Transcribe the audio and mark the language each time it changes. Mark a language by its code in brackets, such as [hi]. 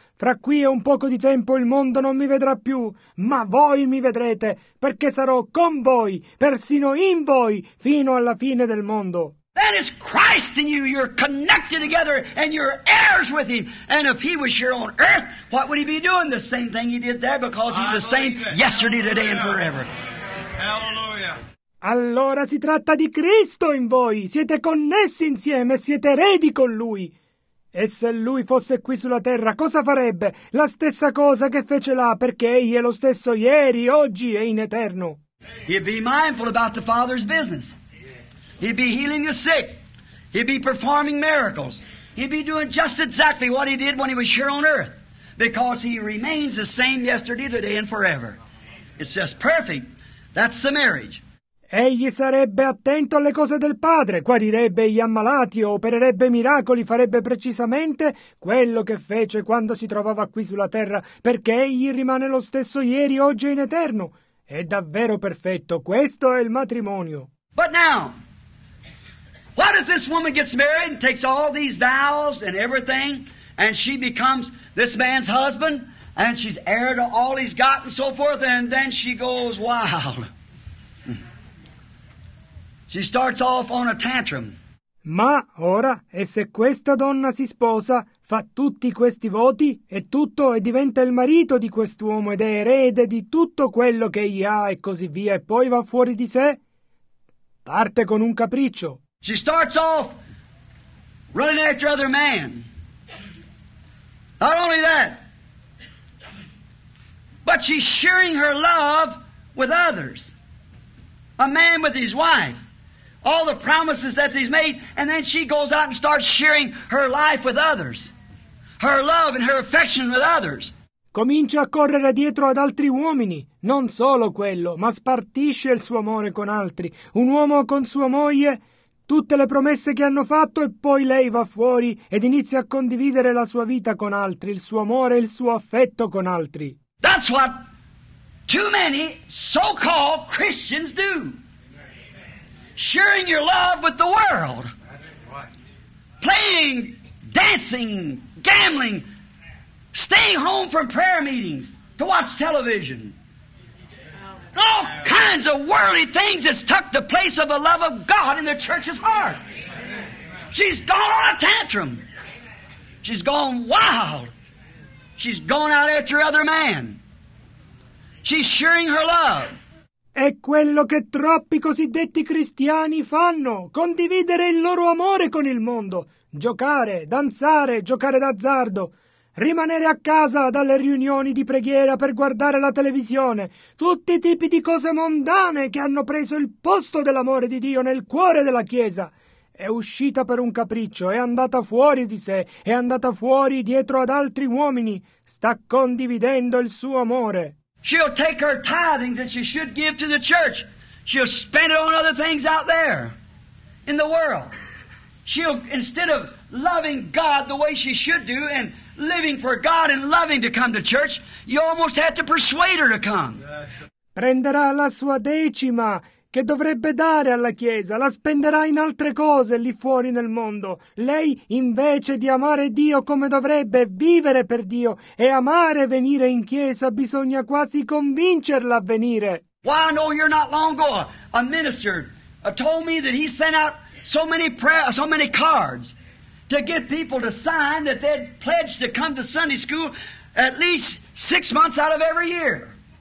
[it] Fra qui e un poco di tempo il mondo non mi vedrà più, ma voi mi vedrete, perché sarò con voi, persino in voi, fino alla fine del mondo. [en] That is Christ in you. You're connected together and you're heirs with him. And if he was here on earth, what would he be doing? The same thing he did there, because he's the same yesterday, today, and forever. Hallelujah. [it] Allora si tratta di Cristo in voi. Siete connessi insieme, siete eredi con lui. E se lui fosse qui sulla terra, cosa farebbe? La stessa cosa che fece là, perché egli è lo stesso ieri, oggi e in eterno. [en] He'd be mindful about the Father's business. He'd be healing the sick. He'd be performing miracles. He'd be doing just exactly what he did when he was here on earth. Because he remains the same yesterday, today, and forever. It's just perfect. That's the marriage. [it] Egli sarebbe attento alle cose del Padre, guarirebbe gli ammalati, opererebbe miracoli, farebbe precisamente quello che fece quando si trovava qui sulla terra, perché egli rimane lo stesso ieri, oggi e in eterno. È davvero perfetto, questo è il matrimonio. [en] But now, what if this woman gets married and takes all these vows and everything, and she becomes this man's husband, and she's heir to all he's got and so forth, and then she goes wild. She starts off on a tantrum. [it] Ma ora, e se questa donna si sposa, fa tutti questi voti e tutto, e diventa il marito di quest'uomo ed è erede di tutto quello che egli ha e così via, e poi va fuori di sé, parte con un capriccio. [en] She starts off running after other man. Not only that, but she's sharing her love with others. A man with his wife. All the promises that he's made, and then she goes out and starts sharing her life with others, her love and her affection with others. [it] Comincia a correre dietro ad altri uomini, non solo quello, ma spartisce il suo amore con altri, un uomo con sua moglie, tutte le promesse che hanno fatto, e poi lei va fuori ed inizia a condividere la sua vita con altri, il suo amore, il suo affetto con altri. [en] That's what too many so-called Christians do. Sharing your love with the world. Playing, dancing, gambling. Staying home from prayer meetings to watch television. All kinds of worldly things that's took the place of the love of God in the church's heart. She's gone on a tantrum. She's gone wild. She's gone out after other man. She's sharing her love. [it] È quello che troppi cosiddetti cristiani fanno, condividere il loro amore con il mondo, giocare, danzare, giocare d'azzardo, rimanere a casa dalle riunioni di preghiera per guardare la televisione, tutti i tipi di cose mondane che hanno preso il posto dell'amore di Dio nel cuore della Chiesa. È uscita per un capriccio, è andata fuori di sé, è andata fuori dietro ad altri uomini, sta condividendo il suo amore. [en] She'll take her tithing that she should give to the church. She'll spend it on other things out there in the world. She'll, instead of loving God the way she should do and living for God and loving to come to church, you almost have to persuade her to come. [it] Prenderà la sua decima che dovrebbe dare alla Chiesa, la spenderà in altre cose lì fuori nel mondo. Lei, invece di amare Dio come dovrebbe, vivere per Dio e amare venire in Chiesa, bisogna quasi convincerla a venire. [en] Why, I know you're not long ago, a minister told me that he sent out so many cards to get people to sign that they'd pledged to come to Sunday school at least 6 months out of every year.